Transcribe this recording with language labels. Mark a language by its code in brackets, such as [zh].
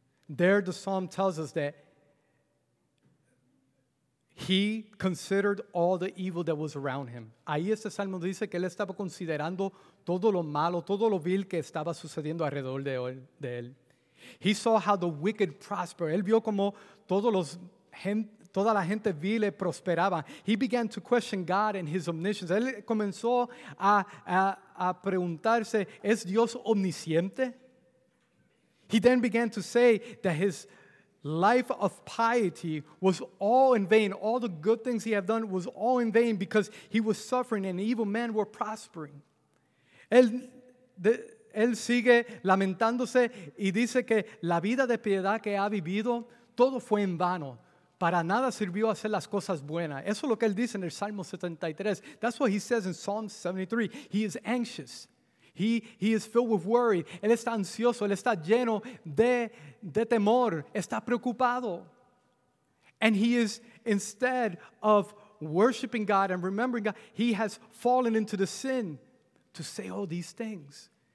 [en] There the psalm tells us that he considered all the evil that was around him. [es] Ahí este salmo dice que él estaba considerando todo lo malo, todo lo vil que estaba sucediendo alrededor de él. [en] He saw how the wicked prosper. [es] Él vio como todos los toda la gente vil prosperaba. [en] He began to question God and his omniscience. [es] Él comenzó a preguntarse, ¿es Dios omnisciente? [en] He then began to say that his life of piety was all in vain. All the good things he had done was all in vain because he was suffering and evil men were prospering. [es] Él sigue lamentándose y dice que la vida de piedad que ha vivido, todo fue en vano. Para nada sirvió hacer las cosas buenas. Eso es lo que él dice en el Salmo 73. [en] That's what he says in Psalm 73. He is anxious. He is filled with worry. [es] Él está ansioso. Él está lleno de temor. Está preocupado. [en] And he is, instead of worshiping God and remembering God, he has fallen into the sin to say all these things.